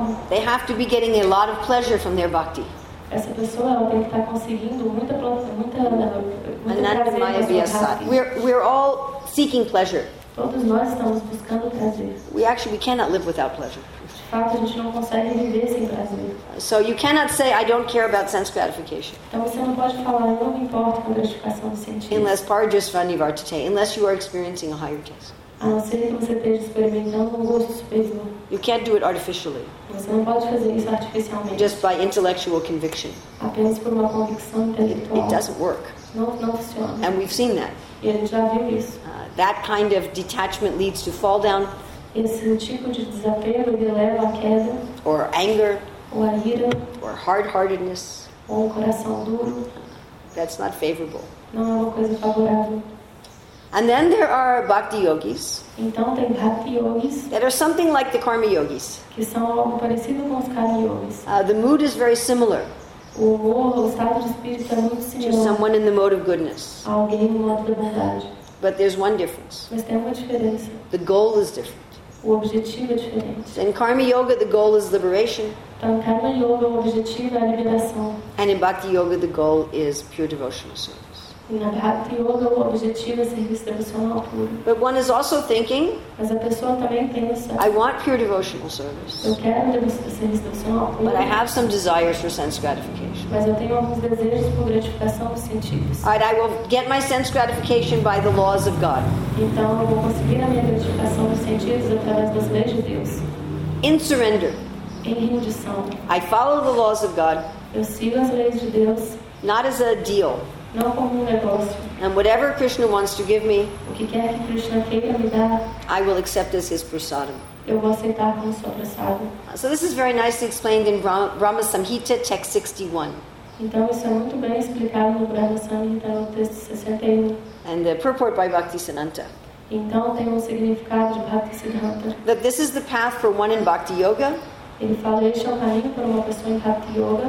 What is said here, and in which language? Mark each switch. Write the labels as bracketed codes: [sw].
[en] They have to be getting a lot of pleasure from their bhakti. [pt] Essa pessoa ela tem que estar conseguindo muita prazer na sua bhakti. [en] We're all seeking pleasure. [pt] Todos nós estamos buscando prazer. [en] We cannot live without pleasure. [pt] De fato, a gente não consegue viver sem prazer. [en] So you cannot say I don't care about sense gratification. [pt] Então você não pode falar eu não me importo com gratificação dos sentidos. [en] Unless parjasvanivartite, unless you are experiencing a higher taste. [pt] A não ser que você esteja experimentando um gosto superior. [en] You can't do it artificially. [pt] Você não pode fazer isso artificialmente. [en] Just by intellectual conviction. [pt] Apenas por uma convicção intelectual. [en] It doesn't work. [pt] Não funciona. [en] And we've seen that. [pt] E a gente já viu isso. [en] That kind of detachment leads to fall down. [pt] Esse tipo de desapego que leva à queda. [en] Or anger. [pt] Ou a ira. [en] Or hard-heartedness. [pt] Ou um coração duro. [en] That's not favorable. [pt] Não é uma coisa favorável. [en] And then there are bhakti yogis. [pt] Então tem bhakti yogis. [en] That are something like the karma yogis. [pt] Que são algo parecido com os karma yogis. [en] The mood is very similar. [pt] O estado de espírito é muito similar. [en] To someone in the mode of goodness. [pt] Alguém no modo da bondade. [en] But there's one difference. [pt] Mas tem uma diferença. [en] The goal is different. [pt] O objetivo é diferente. [en] In karma yoga, the goal is liberation. [pt] Então, karma yoga, o objetivo é a liberação. [en] And in bhakti yoga, the goal is pure devotional service. [pt] Na bhakti yoga, o objetivo é serviço devocional puro. [en] But one is also thinking, [pt] mas a pessoa também pensa, [en] I want pure devotional service. [pt] Eu quero serviço devocional puro. [en] But I have some desires for sense gratification. [pt] Mas eu tenho alguns desejos por gratificação dos sentidos. [en] All right, I will get my sense gratification by the laws of God. [pt] Então eu vou conseguir a minha gratificação dos sentidos através das leis de Deus. [en] In surrender. [pt] Em rendição. [en] I follow the laws of God. [pt] Eu sigo as leis de Deus. [en] Not as a deal. [pt] Não como negócio. [en] And whatever Krishna wants to give me, [pt] o que quer que Krishna queira me dar, [en] I will accept as his prasadam. [pt] Eu vou aceitar como sua prasada. [en] So this is very nicely explained in Brahma Samhita, text 61. [pt] Então isso é muito bem explicado no Brahma Samhita, no texto 61. [en] And the purport by Bhaktisiddhanta. [pt] Então tem significado de Bhaktisiddhanta. [en] That this is the path for one in Bhakti Yoga. [pt] Ele fala, este é o caminho para uma pessoa em Bhakti Yoga.